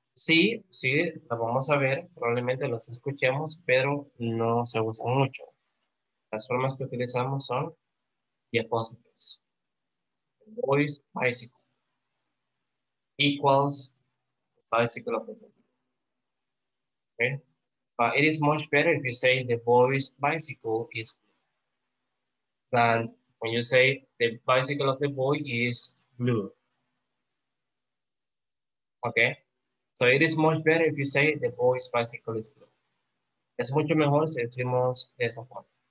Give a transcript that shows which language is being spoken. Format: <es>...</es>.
<es>Sí, sí, la vamos a ver, probablemente los escuchemos, pero no se usa mucho. Las formas que utilizamos son diapositives.</es> <en>The boy's bicycle equals the bicycle of the boy. Okay. But it is much better if you say the boy's bicycle is than when you say the bicycle of the boy is blue. Okay. So it is much better if you say the boy's bicycle is blue.</en> <es>Es mucho mejor si decimos de esa forma.</es>